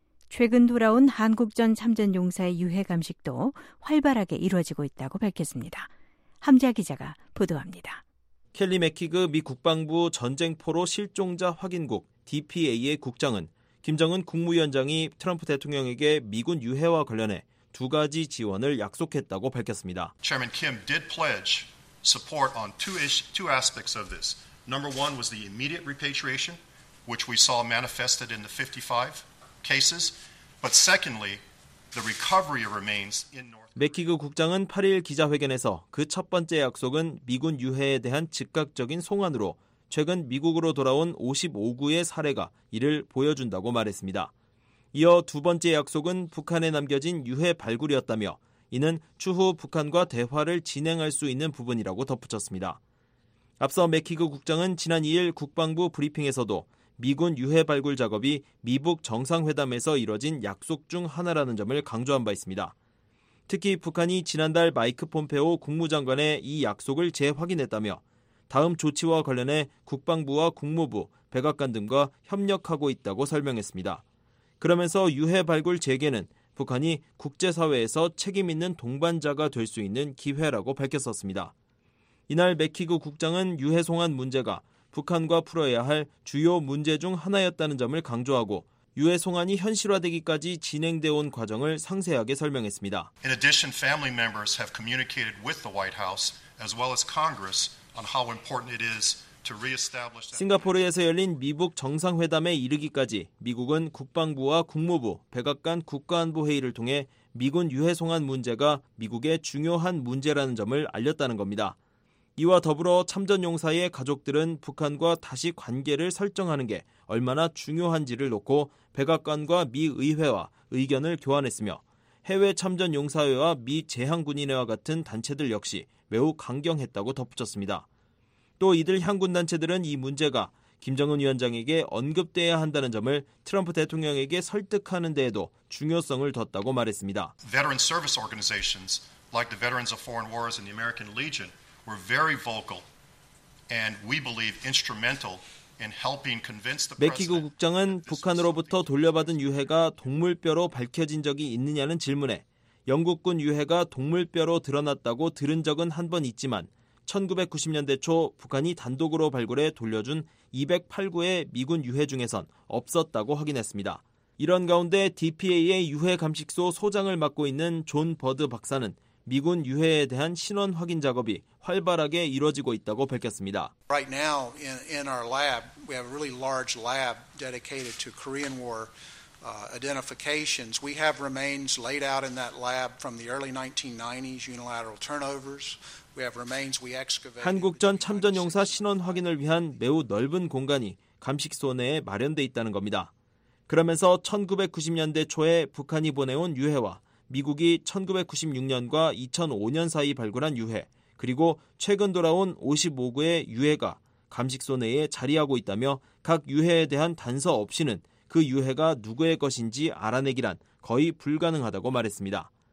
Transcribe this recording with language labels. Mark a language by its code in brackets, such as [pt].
[ko] 최근 돌아온 한국전 참전용사의 유해 감식도 활발하게 이루어지고 있다고 밝혔습니다. 함재아 기자가 보도합니다. 켈리 맥키그 미 국방부 전쟁포로 실종자 확인국 DPA의 국장은 김정은 국무위원장이 트럼프 대통령에게 미군 유해와 관련해 두 가지 지원을 약속했다고 밝혔습니다. [en] Chairman Kim did pledge support on two aspects of this. Number one was the immediate repatriation, which we saw manifested in the 55 cases. But secondly, the recovery of remains in North. [ko] 맥키그 국장은 8일 기자회견에서 그 첫 번째 약속은 미군 유해에 대한 즉각적인 송환으로 최근 미국으로 돌아온 55구의 사례가 이를 보여준다고 말했습니다. 이어 두 번째 약속은 북한에 남겨진 유해 발굴이었다며 이는 추후 북한과 대화를 진행할 수 있는 부분이라고 덧붙였습니다. 앞서 맥키그 국장은 지난 2일 국방부 브리핑에서도 미군 유해 발굴 작업이 미북 정상회담에서 이뤄진 약속 중 하나라는 점을 강조한 바 있습니다. 특히 북한이 지난달 마이크 폼페오 국무장관의 이 약속을 재확인했다며 다음 조치와 관련해 국방부와 국무부, 백악관 등과 협력하고 있다고 설명했습니다. 그러면서 유해 발굴 재개는 북한이 국제사회에서 책임 있는 동반자가 될 수 있는 기회라고 밝혔었습니다. 이날 맥키그 국장은 유해 송환 문제가 북한과 풀어야 할 주요 문제 중 하나였다는 점을 강조하고 유해 송환이 현실화되기까지 진행되어 온 과정을 상세하게 설명했습니다. [en] In addition, family members have communicated with the White House as well as Congress on how important it is. [ko] 싱가포르에서 열린 미북 정상회담에 이르기까지 미국은 국방부와 국무부, 백악관 국가안보 회의를 통해 미군 유해 송환 문제가 미국의 중요한 문제라는 점을 알렸다는 겁니다. 이와 더불어 참전용사의 가족들은 북한과 다시 관계를 설정하는 게 얼마나 중요한지를 놓고 백악관과 미 의회와 의견을 교환했으며 해외 참전용사회와 미 재향군인회와 같은 단체들 역시 매우 강경했다고 덧붙였습니다. 또 이들 향군단체들은 이 문제가 김정은 위원장에게 언급돼야 한다는 점을 트럼프 대통령에게 설득하는 데에도 중요성을 뒀다고 말했습니다. [en] Veteran service organizations like the Veterans of Foreign Wars and the American Legion were very vocal and we believe instrumental in helping convince the president. [ko] 맥키그 국장은 북한으로부터 돌려받은 유해가 동물뼈로 밝혀진 적이 있느냐는 질문에 영국군 유해가 동물뼈로 드러났다고 들은 적은 한 번 있지만 1990년대 초 북한이 단독으로 발굴해 돌려준 208구의 미군 유해 중에선 없었다고 확인했습니다. 이런 가운데 DPA의 유해 감식소 소장을 맡고 있는 존 버드 박사는 미군 유해에 대한 신원 확인 작업이 활발하게 이루어지고 있다고 밝혔습니다. [en] Right now in our lab, we have a really large lab dedicated to Korean War identifications. We have remains laid out in that lab from the early 1990s unilateral turnovers. [ko] 한국전 참전용사 신원 확인을 위한 매우 넓은 공간이 감식소 내에 마련돼 있다는 겁니다. 그러면서 1990년대 초에 북한이 보내온 유해와 미국이 1996년과 2005년 사이 발굴한 유해, 그리고 최근 돌아온 55구의 유해가 감식소 내에 자리하고 있다며 각 유해에 대한 단서 없이는 그 유해가 누구의 것인지 알아내기란 거의 불가능하다고 말했습니다.